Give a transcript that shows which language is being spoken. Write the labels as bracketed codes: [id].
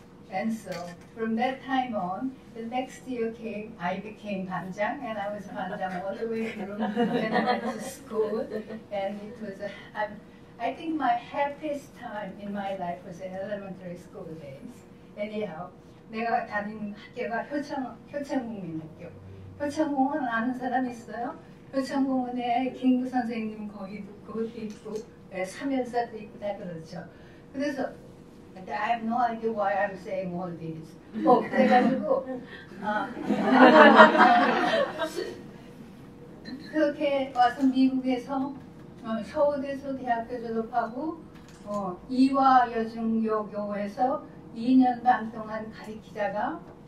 [en] And so, from that time on, the next year came, I became 반장, and I was 반장 all the way through, and I went to school. And it was, I think my happiest time in my life was in elementary school days. [ko] Anyhow, 내가 다니는 학교가 효창국민학교. 효창공원 아는 사람 있어요? 효창공원에 김구 선생님 거기도 그것도 있고 네, 삼연사도 있고 다 그렇죠. [en] 그래서 I have no idea why I'm saying all this. [ko] 어, 그래가지고 그렇게 와서 미국에서 서울대에서 대학교 졸업하고 이화여중여교에서 2년 반 동안 가르치다가